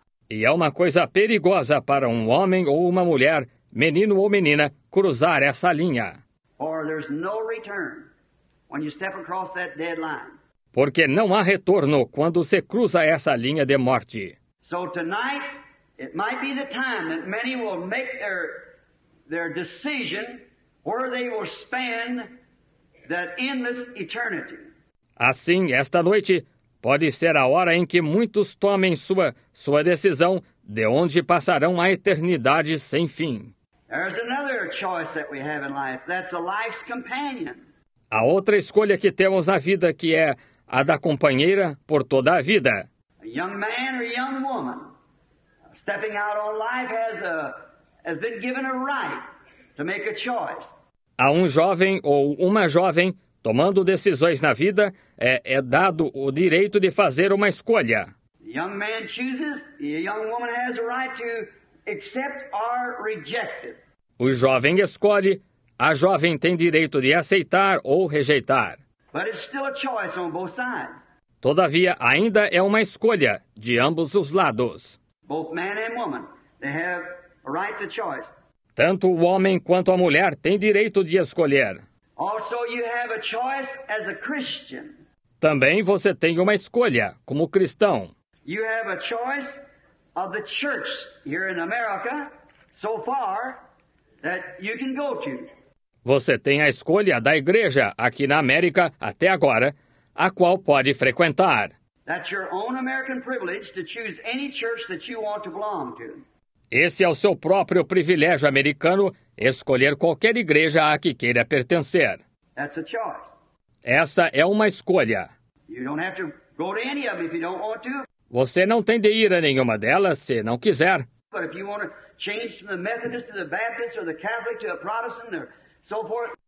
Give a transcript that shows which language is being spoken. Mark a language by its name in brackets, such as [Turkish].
[Portuguese] E é uma coisa perigosa para um homem ou uma mulher, menino ou menina, cruzar essa linha. [English] Or there's no return when you step across that dead line. [Portuguese] Porque não há retorno quando se cruza essa linha de morte. [English] So tonight, it might be the time that many will make their decision where they will spend that endless eternity. [Portuguese] Assim, esta noite pode ser a hora em que muitos tomem sua decisão de onde passarão a eternidade sem fim. [English] There's another choice that we have in life. That's a life's companion. [Portuguese] A outra escolha que temos na vida que é a da companheira por toda a vida. [English] A young man or young woman stepping out on life has been given a right to make a choice. [Portuguese] A um jovem ou uma jovem tomando decisões na vida é dado o direito de fazer uma escolha. [English] A young man chooses, a young woman has a right to accept or reject it. [Portuguese] O jovem escolhe, a jovem tem direito de aceitar ou rejeitar. [English] But it's still a choice on both sides. [Portuguese] Todavia, ainda é uma escolha de ambos os lados. [English] Both man and woman, they have a right to choice. [Portuguese] Tanto o homem quanto a mulher têm direito de escolher. [English] Also, you have a choice as a Christian. [Portuguese] Também você tem uma escolha como cristão. [English] You have a choice of the church here in America so far that you can go to. [Portuguese] Você tem a escolha da igreja aqui na América até agora, a qual pode frequentar. [English] That's your own American privilege to choose any church that you want to belong to. [Portuguese] Esse é o seu próprio privilégio americano, escolher qualquer igreja a que queira pertencer. [English] That's a choice. [Portuguese] Essa é uma escolha. [English] You don't have to go to any of them if you don't want to. [Portuguese] Você não tem de ir a nenhuma delas se não quiser. [English] But if you want to change from the Methodist to the Baptist or the Catholic to a Protestant or so forth.